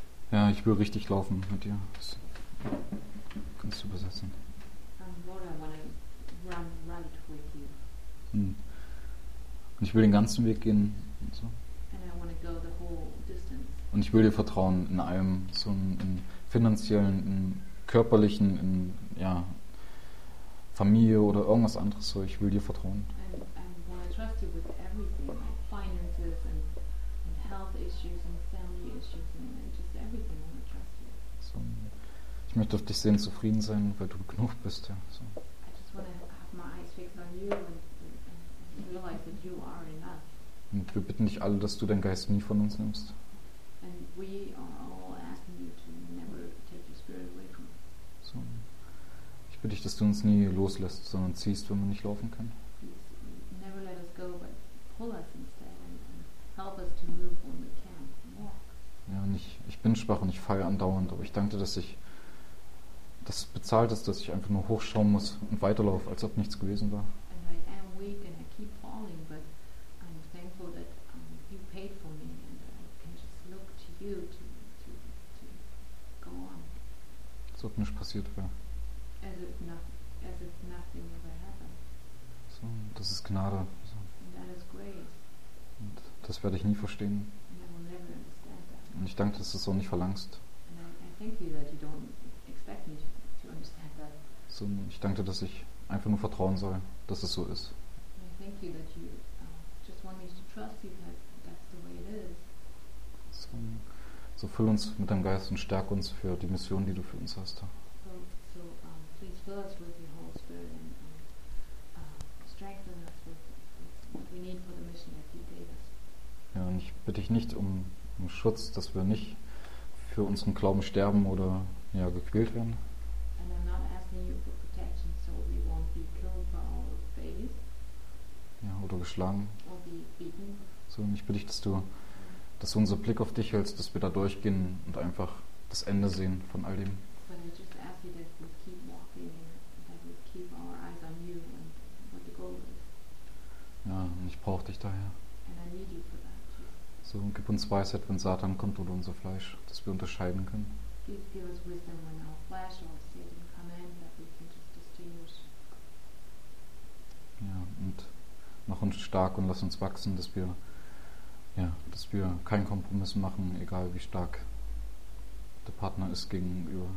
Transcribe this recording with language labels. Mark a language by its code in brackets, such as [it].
[de] Ja, ich will richtig laufen mit dir. Das kannst du übersetzen. [en] Lord, I want to run right with you. [de] Und ich will den ganzen Weg gehen. Und, so. [en] And I want to go the whole distance. [de] Und ich will dir vertrauen in allem, so in finanziellen, in körperlichen, in ja, Familie oder irgendwas anderes. So. Ich will dir vertrauen. [en] And I want to trust you with everything, like finances and health issues and family issues and just everything. I want to trust you. [de] So. Ich möchte auf dich sehen, zufrieden sein, weil du genug bist. Ja. So. [en] I just want to have my eyes fixed on you and realize that you are enough. [de] Und wir bitten dich alle, dass du deinen Geist nie von uns nimmst. [en] And we are all asking you to never take your spirit away from us. [de] So. Ich bitte dich, dass du uns nie loslässt, sondern ziehst, wenn wir nicht laufen können. [en] Please never let us go, but pull us instead and help us to move when we can walk. [de] Ja, und ich bin schwach und ich falle andauernd, aber ich danke dir, dass ich das bezahlt ist, dass ich einfach nur hochschauen muss und weiterlaufe, als ob nichts gewesen war. [en] And I am weak and I keep falling, but I'm thankful that you paid for me and I can just look to you to go on. [de] Als ob nichts passiert wäre. [en] As if nothing ever happened. [de] So, das ist Gnade. So. [en] And that is grace. [de] Und das werde ich nie verstehen. [en] And I will never understand that. [de] Und ich danke, dass du es so nicht verlangst. [en] And I thank you that you don't expect me to understand that. [de] So, ich danke, dass ich einfach nur vertrauen soll, dass es so ist. [en] I thank you that you just want me to trust you that that's the way it is. [de] So füll uns mit deinem Geist und stärk uns für die Mission, die du für uns hast. [en] So please fill us with your Holy Spirit and strengthen us with what we need for the mission that you gave us. [de] Ja, und ich bitte dich nicht um Schutz, dass wir nicht für unseren Glauben sterben oder ja, gequält werden. [en] And I'm not asking you for protection, so we won't be killed for our faith. [de] Ja, oder geschlagen. [en] Or be beaten. [de] So, und ich bitte dich, dass du unser Blick auf dich hältst, dass wir da durchgehen und einfach das Ende sehen von all dem. [en] But I just ask you that we keep walking and that we keep our eyes on you and what the goal is. [de] Ja, und ich brauche dich daher. [en] And I need you for that too. [de] So, gib uns Weisheit, wenn Satan kommt oder unser Fleisch, dass wir unterscheiden können. [en] Give us wisdom when our flesh or Satan come in, that we can just distinguish. [de] Ja, und mach uns stark und lass uns wachsen, dass wir, ja, dass wir keinen Kompromiss machen, egal wie stark der Partner ist gegenüber.